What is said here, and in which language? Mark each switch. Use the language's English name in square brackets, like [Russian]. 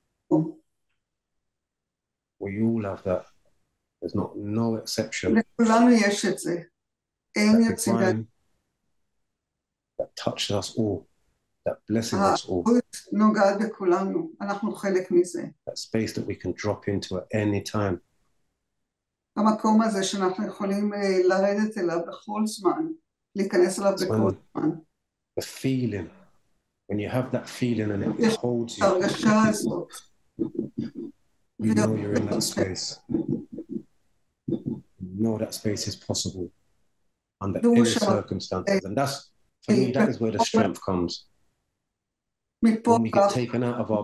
[English] We all have that. There's not no exception. That touches us all. That blesses us all. [Hebrew] נוגעת בכולנו. אנחנו חלק מזה. [English] That space that we can drop into at any time. [Hebrew] המקום הזה שאנחנו יכולים לרדת אליו בכל זמן, להיכנס אליו בכל זמן. [English] The feeling. When you have that feeling and it holds you. [Hebrew] הרגשה הזאת. [English] You know you're in that space. You know that space is possible under any circumstances. And that's, for me, that is where the strength comes. When we get taken out of our